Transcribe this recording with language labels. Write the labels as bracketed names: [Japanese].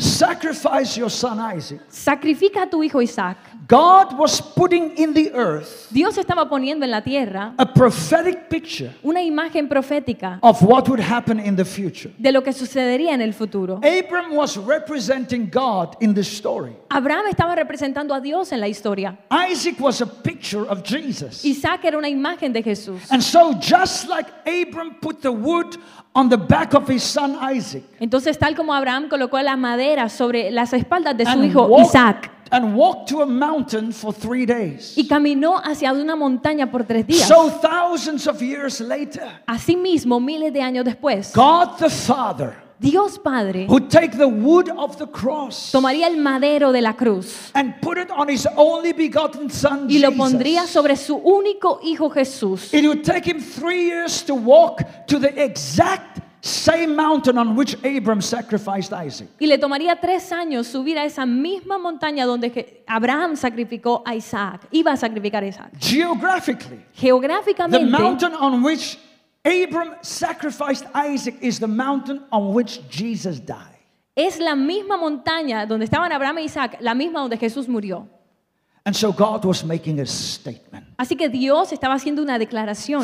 [English] sacrifice your son Isaac, [Spanish] sacrifica a tu hijo Isaac, [English] God was putting in the earth, [Spanish] Dios estaba poniendo en la tierra, [English] a prophetic picture, [Spanish] una imagen profética, [English] of what would happen in the future, [Spanish] de lo que sucedería en el futuro. [English] Abraham was representing God in the story. [Spanish] Abraham estaba representando a Dios en la historia. [English] Isaac was a picture of Jesus. [Spanish] Isaac era una imagen de Jesús. [English] And so just like Abraham put the wood on the back of his son Isaac, [Spanish] entonces tal como Abraham colocó la madera sobre las espaldas de su hijo Isaac, [English] and walked to a mountain for 3 days, [Spanish] y caminó hacia una montaña por 3 días, [English] so thousands of years later, [Spanish] así mismo miles de años después, [English] God the Father, [Spanish] Dios Padre, [English] who take the wood of the cross, [Spanish] tomaría el madero de la cruz, [English] and put it on his only begotten son, [Spanish] y lo pondría sobre su único hijo Jesús. [English] It would take him 3 years to walk to the exact same mountain on which Abraham sacrificed Isaac. [Spanish] Y le tomaría 3 años subir a esa misma montaña donde Abraham sacrificó a Isaac. Iba a sacrificar a Isaac. [English] Geographically, [Spanish] geográficamente, [English] the mountain on which Abraham sacrificed Isaac is the mountain on which Jesus died. [Spanish] Es la misma montaña donde estaban Abraham e Isaac, la misma donde Jesús murió. [English] And so God was making a statement. [Spanish] Así que Dios estaba haciendo una declaración.